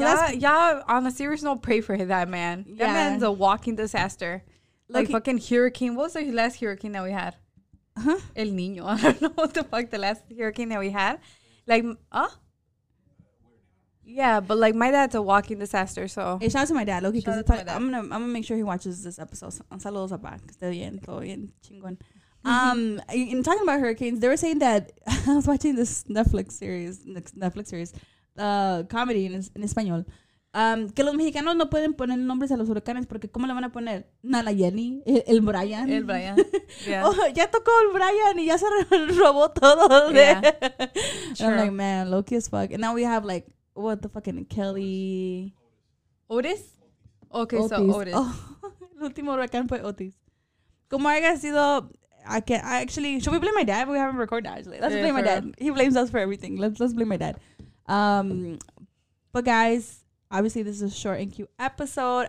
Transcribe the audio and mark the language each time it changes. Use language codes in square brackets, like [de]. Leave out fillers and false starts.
[en] On a serious note, pray for that man. Yeah. That man's a walking disaster. Like fucking hurricane. What was the last hurricane that we had? Huh? El Niño. I don't know what the fuck the last hurricane that we had. Like, Yeah, but like my dad's a walking disaster, so. Hey, shout out to my dad, Loki, because I'm gonna make sure he watches this episode. [es] Saludos a pa, que esté bien, todo bien, chingón. [en] In talking about hurricanes, they were saying that I was watching this Netflix series, comedy in español. [es] Que los mexicanos no pueden poner nombres a los huracanes porque cómo le van a poner Nalayani, el Brian. El Brian. [en] Yeah. [es] Oh, ya tocó el Brian y ya se robó todo. [en] Yeah. I'm like, man, Loki as fuck. And now we have like, what the fucking Kelly. Otis? Okay, Otis. So Otis. Oh, [es] el último huracán fue Otis. Como haya sido, [en] should we blame my dad? We haven't recorded that actually. Let's blame my dad. Real. He blames us for everything. Let's blame my dad. But guys, obviously, this is a short and cute episode.